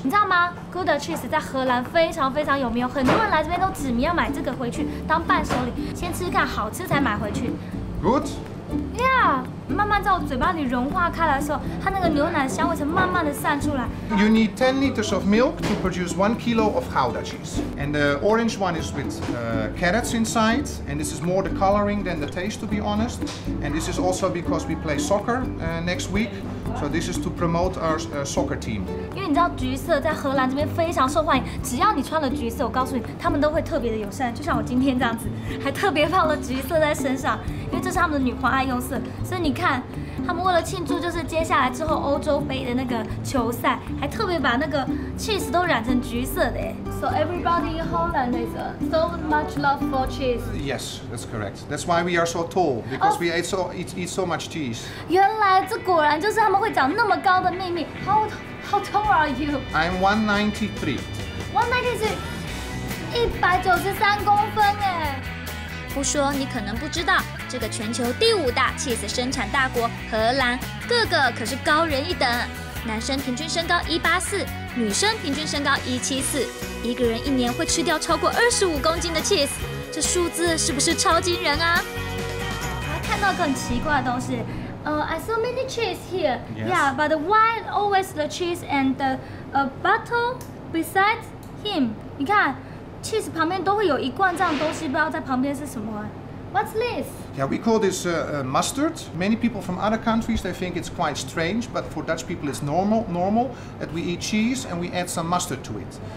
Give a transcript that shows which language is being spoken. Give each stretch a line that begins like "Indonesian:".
Chinese: 你知道吗 ？Gouda cheese 在荷兰非常非常有名，很多人来这边都指名要买这个回去当伴手礼，先吃看好吃才买回去。
English: Good。 Yeah，
Chinese: 慢慢在我嘴巴里融化开来的时候，它那个牛奶香味才慢慢的散出来。
English: You need 10 liters of milk to produce 1 kilo of Gouda cheese. And the orange one is with carrots inside, and this is more the coloring than the taste, to be honest. And this is also because we play soccer next week, so this is to promote our soccer team.
Chinese: 因为你知道橘色在荷兰这边非常受欢迎，只要你穿了橘色，我告诉你，他们都会特别的友善，就像我今天这样子，还特别放了橘色在身上。因为这是他们的女皇爱用色，所以你看，他们为了庆祝就是接下来之后欧洲杯的那个球赛，还特别把那个 cheese 都染成橘色的。
English: So everybody in Holland is so much love for cheese. Yes, that's correct. That's why we are so tall because we eat so much cheese.
Chinese: 原来这果然就是他们会长那么高的秘密。
English: How tall are you? I'm 193.
Chinese: 193, 193公分哎。不说你可能不知道，这个全球第五大 cheese 生产大国荷兰，个个可是高人一等。男生平均身高184，女生平均身高174，一个人一年会吃掉超过25公斤的 cheese， 这数字是不是超惊人啊？我看到很奇怪的东西，
English: I saw many cheese here. Yes. Yeah, but why always the cheese and the bottle beside him?
Chinese: 你看。Cheese 旁边都会有一罐这样东西，不知道在旁边是什么、啊。
English: What's this? Yeah, we call this mustard. Many people from other countries they think it's quite strange, but for Dutch people it's normal that we eat cheese and we add some mustard to it.